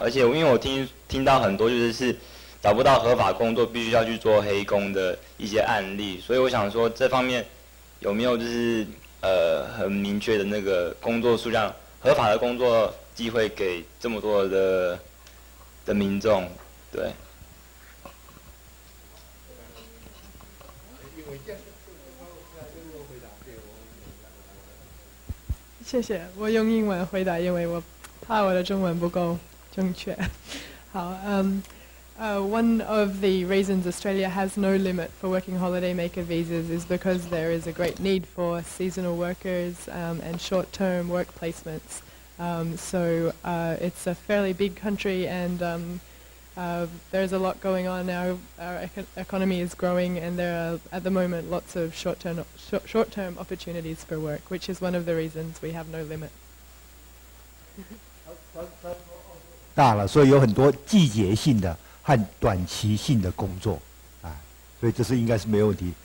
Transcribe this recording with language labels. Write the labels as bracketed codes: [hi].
[zh] 而且因为我听到很多就是找不到合法工作必须要去做黑工的一些案例，所以我想说这方面有没有就是很明确的那个工作数量，合法的工作机会给这么多的民众？对，谢谢，我用英文回答，因为我怕我的中文不够正确。 [en] 好，one of the reasons Australia has no limit for working holiday maker visas is because there is a great need for seasonal workers and short-term work placements. It's a fairly big country and there's a lot going on. Our economy is growing and there are at the moment lots of short-term opportunities for work, which is one of the reasons we have no limit. [zh] 大了，所以有很多季节性的和短期性的工作，啊，所以这是应该是没有问题。